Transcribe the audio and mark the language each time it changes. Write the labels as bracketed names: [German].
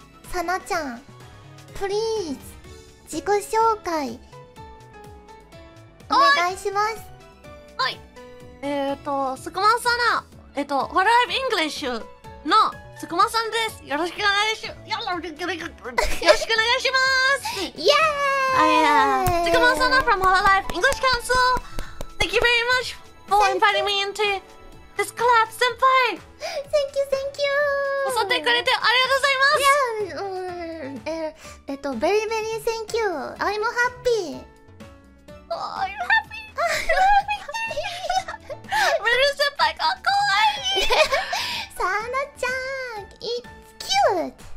[Japanese] サナちゃん、プリーズ、自己紹介、お願いします。はい。スクマサナ、ホロライブイングリッシュのスクマさんです。よろしくお願いします。よろしくお願いします。イエーイ、スクマサナ from ホロライブイングリッシュカウンセル。 [English] Thank you very much for inviting me into this club, 先輩。 Thank you, thank you. [Japanese] 襲ってくれてありがとうございます。 [English] Yeah. Very very thank you. I'm happy. Oh, you're happy. You're happy. [Japanese] Meru 先輩が可愛い。 [English] サナちゃん、it's cute.